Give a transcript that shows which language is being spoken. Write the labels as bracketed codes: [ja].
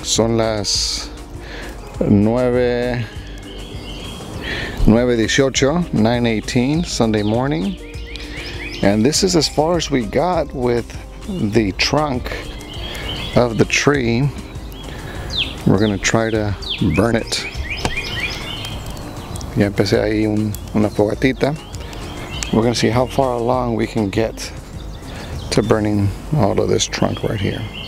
[es] Son las 9:18, 9:18, [en] Sunday morning. And this is as far as we got with the trunk of the tree. We're gonna try to burn it. [es] Ya empecé ahí una fogatita. [en] We're gonna see how far along we can get to burning all of this trunk right here.